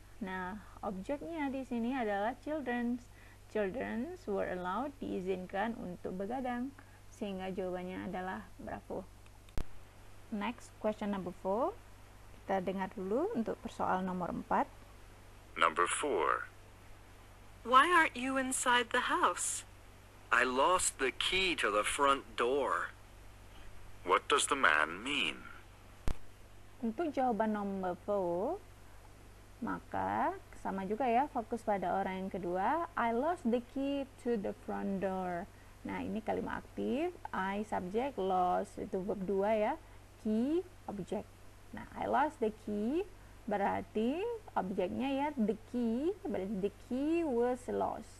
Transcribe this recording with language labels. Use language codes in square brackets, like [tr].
[id] Nah, objeknya di sini adalah children. [en] Children were allowed, [id] diizinkan untuk begadang. Sehingga jawabannya adalah bravo. [en] Next, question number 4. [id] Kita dengar dulu untuk persoal nomor 4. [en] Number 4. Why aren't you inside the house? I lost the key to the front door. What does the man mean? [id] Untuk jawaban nomor 4, maka sama juga ya, fokus pada orang yang kedua. [en] I lost the key to the front door. [id] Nah, ini kalimat aktif. [en] I subject, lost, itu verb 2 ya. Key, object. Nah, I lost the key, [id] berarti objeknya ya, [en] the key, berarti the key was lost.